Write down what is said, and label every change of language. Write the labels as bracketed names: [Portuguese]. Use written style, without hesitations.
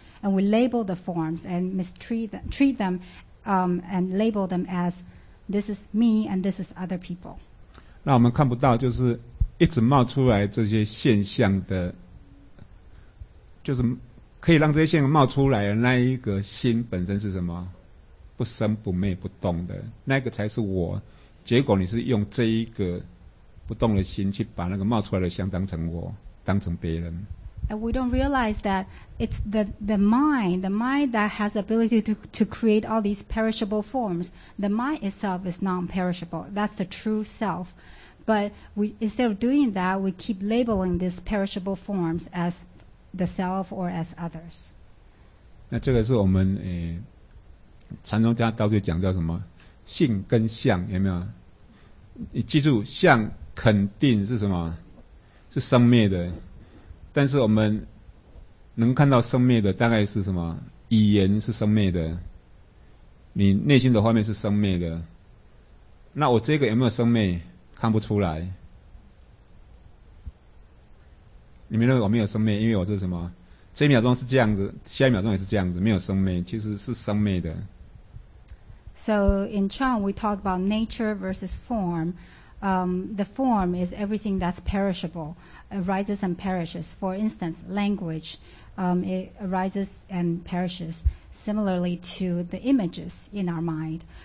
[English] And we label the forms and treat them and label them as this is me and this is other people. [Chinese] 那我们看不到就是一直冒出来这些现象的就是可以让这些线冒出来的那一个心本身是什么？不生不灭不动的，那个才是我。结果你是用这一个不动的心去把那个冒出来的相当成我，当成别人。 [English] And we don't realize that it's the mind that has the ability to create all these perishable forms. The mind itself is non-perishable. That's the true self. But we, instead of doing that, we keep labeling these perishable forms as the self or as others. [Chinese] 那这个是我们禅宗家到最讲叫什么？性跟相有没有？你记住，相肯定是什么？是生灭的。但是我们能看到生灭的大概是什么？语言是生灭的，你内心的画面是生灭的。那我这个有没有生灭？看不出来。你们认为我没有生灭，因为我是什么？这一秒钟是这样子，下一秒钟也是这样子，没有生灭，其实是生灭的。 [English] So in Chan, we talk about nature versus form. The form is everything that's perishable, arises and perishes. For instance, language, it arises and perishes, similarly to the images in our mind.